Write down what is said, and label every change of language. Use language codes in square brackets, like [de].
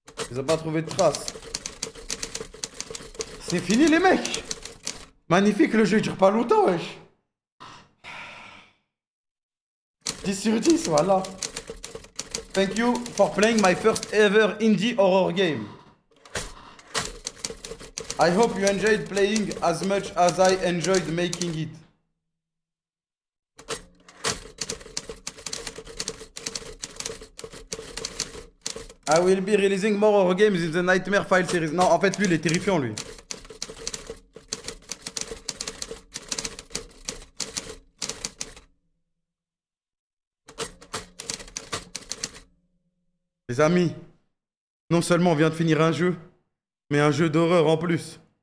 [fr] Ils n'ont pas trouvé de traces. C'est fini les mecs! Magnifique le jeu, il dure pas longtemps wesh! 10 sur 10, voilà! [en] Thank you for playing my first ever indie horror game. I hope you enjoyed playing as much as I enjoyed making it. I will be releasing more horror games in the Nightmare File series. [fr] Non, en fait lui il est terrifiant lui. Les amis, non seulement on vient de finir un jeu, mais un jeu d'horreur en plus.